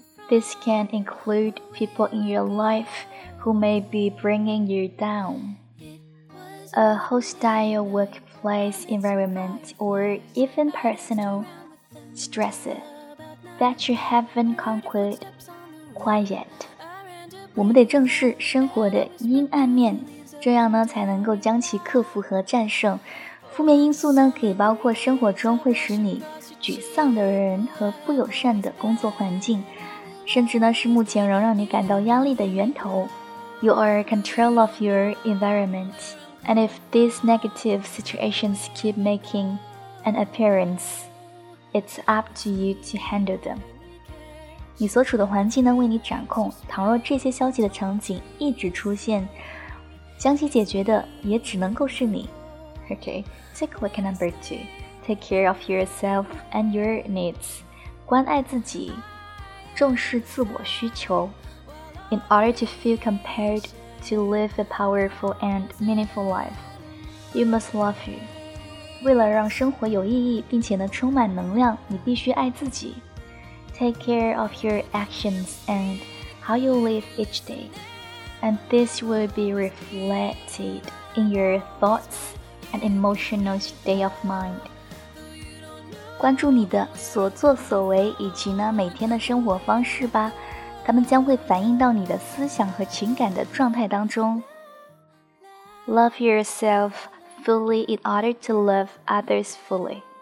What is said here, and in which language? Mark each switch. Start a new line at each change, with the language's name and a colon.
English: This can include people in your life who may be bringing you down. A hostile workplace environment or even personal stresses that you haven't conquered quite yet.
Chinese: 我们得正视生活的阴暗面，这样呢才能够将其克服和战胜。负面因素呢，可以包括生活中会使你沮丧的人和不友善的工作环境，甚至呢是目前仍让你感到压力的源头。
English: You are in control of your environment, and if these negative situations keep making an appearance, it's up to you to handle them.
Chinese: 你所处的环境呢为你掌控，倘若这些消极的场景一直出现，将其解决的也只能够是你。
English: Okay, take a look at number two. Take care of yourself and your needs.
Chinese: 关爱自己，重视自我需求。
English: In order to feel compelled to live a powerful and meaningful life, you must love you.
Chinese: 为了让生活有意义并且呢充满能量，你必须爱自己。
English: Take care of your actions and how you live each day, and this will be reflected in your thoughts. An emotional state of mind.
Chinese: 关注你的所作所为以及呢每天的生活方式吧，它们将会反映到你的思想和情感的状态当中。
English: Love yourself fully in order to love others fully.